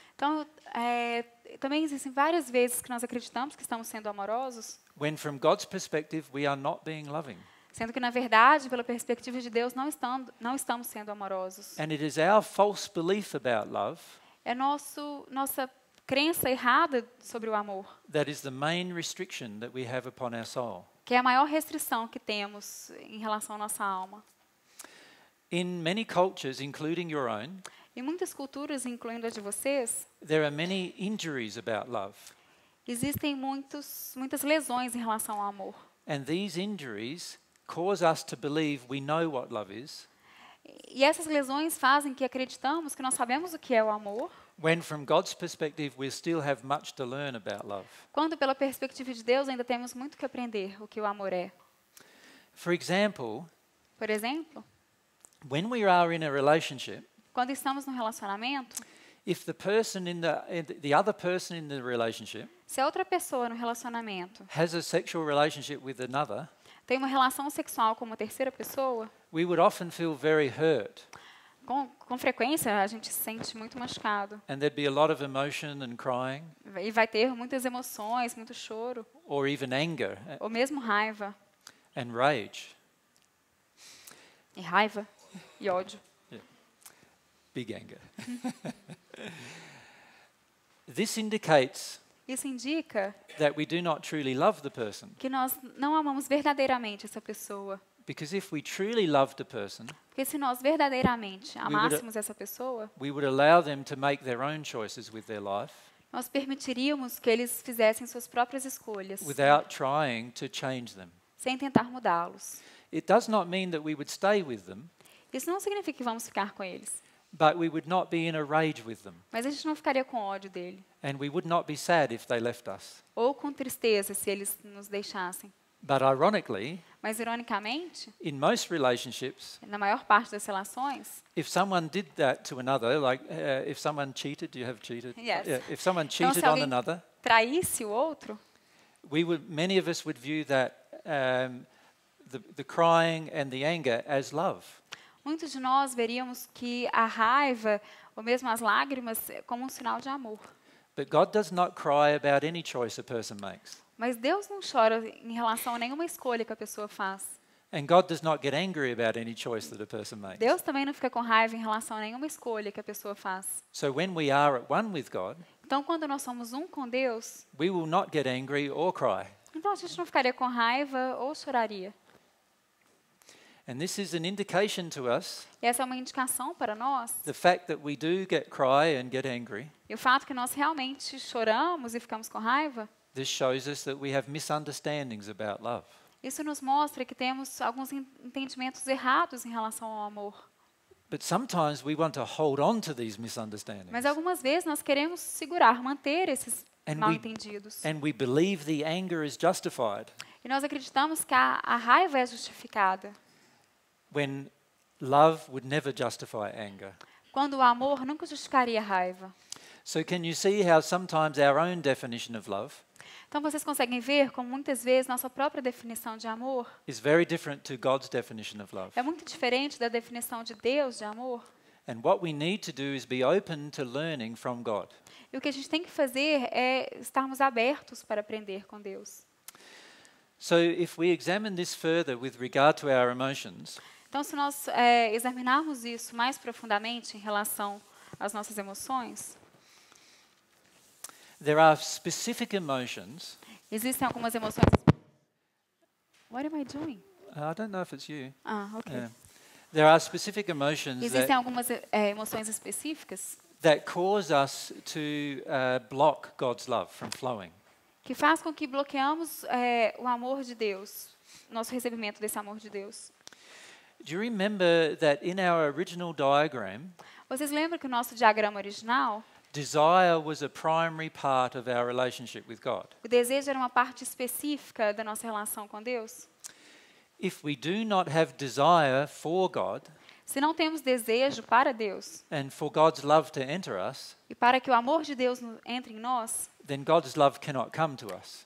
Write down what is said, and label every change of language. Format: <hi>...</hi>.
<pt>Então, também existem várias vezes que nós acreditamos que estamos sendo amorosos.</pt> <en>When from God's perspective, we are not being loving.</en> <pt>Sendo que, na verdade, pela perspectiva de Deus, não estamos sendo amorosos.</pt> <en>And it is our false belief about love.</en> <pt>É nossa crença errada sobre o amor.</pt> <en>That is the main restriction that we have upon our soul.</en> <pt>Que é a maior restrição que temos em relação à nossa alma.</pt> <en>In many cultures, including your own,</en> <pt>em muitas culturas, incluindo a de vocês,</pt> <en>there are many injuries about love.</en> <pt>Existem muitas lesões em relação ao amor.</pt> <en>And these injuries cause us to believe we know what love is.</en> <pt>E essas lesões fazem que acreditamos que nós sabemos o que é o amor.</pt> <en>When from God's perspective we still have much to learn about love.</en> <pt>Quando pela perspectiva de Deus ainda temos muito que aprender o que o amor é.</pt> <en>For example,</en> <pt>por exemplo,</pt> <en>when we are in a relationship,</en> <pt>quando estamos num relacionamento,</pt> <en>if the person in the other person in the relationship,</en> <pt>se a outra pessoa no relacionamento</pt> <en>has a sexual relationship with another,</en> <pt>tem uma relação sexual com uma terceira pessoa,</pt> <en>we would often feel very hurt.</en> <pt>Com frequência a gente se sente muito machucado.</pt> <en>And there'd be a lot of emotion and crying.</en> <pt>E vai ter muitas emoções, muito choro.</pt> <en>Or even anger.</en> <pt>Ou mesmo raiva.</pt> <en>And rage.</en> <pt>E raiva e ódio.</pt> <en>Yeah. Big anger. This indicates</en> <pt>isso indica</pt> <en>that we do not truly love the person.</en> <pt>Que nós não amamos verdadeiramente essa pessoa.</pt> <en>Because if we truly loved a person,</en> <pt>porque se nós verdadeiramente amássemos essa pessoa,</pt> <en>we would allow them to make their own choices with their life.</en> <pt>Nós permitiríamos que eles fizessem suas próprias escolhas.</pt> <en>Without trying to change them.</en> <pt>Sem tentar mudá-los.</pt> <en>It does not mean that we would stay with them.</en> <pt>Isso não significa que vamos ficar com eles.</pt> <en>But we would not be in a rage with them.</en> <pt>Mas a gente não ficaria com ódio dele.</pt> <en>And we would not be sad if they left us.</en> <pt>Ou com tristeza se eles nos deixassem.</pt> <en>But ironically,</en> <pt>mas ironicamente,</pt> <en>in most relationships,</en> <pt>na maior parte das relações,</pt> <en>if someone did that to another, like if someone cheated, do you have cheated? Yes. Yeah, if someone cheated</en> <pt>então,</pt> <en>on another,</en> <pt>traísse o outro,</pt> <en>we would, many of us would view that the crying and the anger as love.</en> <pt>Muitos de nós veríamos que a raiva ou mesmo as lágrimas como um sinal de amor.</pt> <en>But God does not cry about any choice a person makes.</en> <pt>Mas Deus não chora em relação a nenhuma escolha que a pessoa faz.</pt> <en>And God does not get angry about any choice that a person makes.</en> <pt>Deus também não fica com raiva em relação a nenhuma escolha que a pessoa faz.</pt> <en>So when we are at one with God,</en> <pt>então quando nós somos um com Deus,</pt> <en>we will not get angry or cry.</en> <pt>Então a gente não ficaria com raiva ou choraria.</pt> <en>And this is an indication to us.</en> <pt>E essa é uma indicação para nós.</pt> <en>The fact that we do get cry and get angry.</en> <pt>E o fato que nós realmente choramos e ficamos com raiva.</pt> <en>This shows us that we have misunderstandings about love.</en> <pt>Isso nos mostra que temos alguns entendimentos errados em relação ao amor.</pt> <en>But sometimes we want to hold on to these misunderstandings.</en> <pt>Mas algumas vezes nós queremos segurar, manter esses mal-entendidos.</pt> <en>And we believe the anger is justified.</en> <pt>E nós acreditamos que a raiva é justificada.</pt> <en>When love would never justify anger.</en> <pt>Quando o amor nunca justificaria a raiva.</pt> <en>So can you see how sometimes our own definition of love?</en> <pt>Então vocês conseguem ver como muitas vezes nossa própria definição de amor</pt> <en>is very different to God's definition of love.</en> <pt>É muito diferente da definição de Deus de amor.</pt> <en>And what we need to do is be open to learning from God.</en> <pt>E o que a gente tem que fazer é estarmos abertos para aprender com Deus.</pt> <en>So if we examine this further with regard to our emotions,</en> <pt>então se nós examinarmos isso mais profundamente em relação às nossas emoções,</pt> <en>there are specific emotions.</en> <pt>Existem algumas emoções.</pt> <en>What am I doing? I don't know if it's you. Ah, okay. Yeah. There are specific emotions.</en> <pt>Existem algumas emoções específicas.</pt> <en>That cause us to block God's love from flowing.</en> <pt>Que faz com que bloqueamos o amor de Deus, nosso recebimento desse amor de Deus.</pt> <en>Do you remember that in our original diagram?</en> <pt>Vocês lembram que o nosso diagrama original? D</pt> <en>desire was a primary part of our relationship with God.</en> <pt>O desejo era uma parte específica da nossa relação com Deus.</pt> <en>If we do not have desire for God,</en> <pt>se não temos desejo para Deus,</pt> <en>and for God's love to enter us,</en> <pt>e para que o amor de Deus entre em nós,</pt> <en>then God's love cannot come to us.</en>